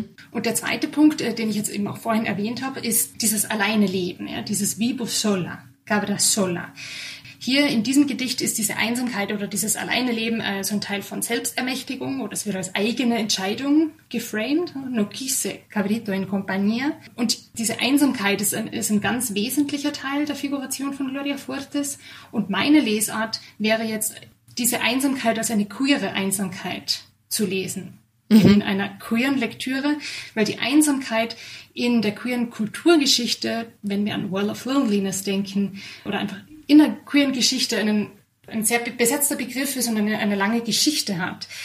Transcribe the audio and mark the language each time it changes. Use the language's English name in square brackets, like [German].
[German] Und der zweite Punkt, den ich jetzt eben auch vorhin erwähnt habe, ist dieses Alleineleben, ja, dieses [Spanish] Vivo sola, cabra sola. [German] Hier in diesem Gedicht ist diese Einsamkeit oder dieses Alleineleben so ein Teil von Selbstermächtigung oder es wird als eigene Entscheidung geframed. [Spanish] No quise cabrito en compañía. [German] Und diese Einsamkeit ist ein ganz wesentlicher Teil der Figuration von Gloria Fuertes. Und meine Lesart wäre jetzt, diese Einsamkeit als eine queere Einsamkeit zu lesen. In einer queeren Lektüre, weil die Einsamkeit in der queeren Kulturgeschichte, wenn wir an World of Loneliness denken, oder einfach in der queeren Geschichte ein sehr besetzter Begriff ist und eine lange Geschichte hat.